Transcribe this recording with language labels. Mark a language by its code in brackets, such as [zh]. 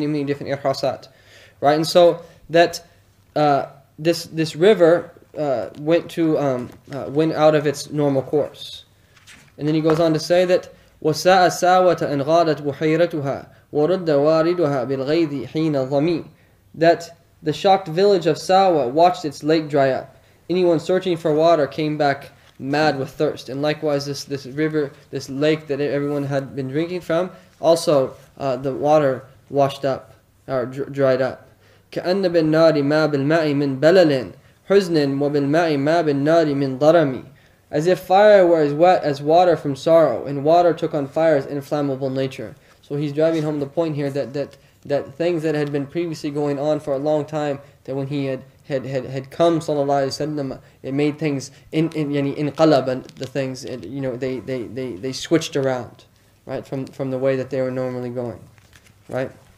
[en] Many different irhasat, right? And so that This river went out of its normal course, and then he goes on to say that [ar] وَسَاءَ سَاوَةَ أَنْ غَادَتْ بُحَيْرَتُهَا وَرُدَّ وَارِدُهَا بِالْغَيْذِ حِينَ ظَمِي, [en] that the shocked village of Sawa watched its lake dry up. Anyone searching for water came back mad with thirst. And likewise, this river, this lake that everyone had been drinking from, also the water washed up or dried up. [ar] كأن بالنار ما بالماء من بلل حزن وبالماء ما بالنار من ضرم. [en] As if fire were as wet as water from sorrow, and water took on fire's inflammable nature. So he's driving home the point here that things that had been previously going on for a long time, that when he had come, sallallahu alaihi wasallam, it made things inqalab, and the things, you know, they switched around, right, from the way that they were normally going, right.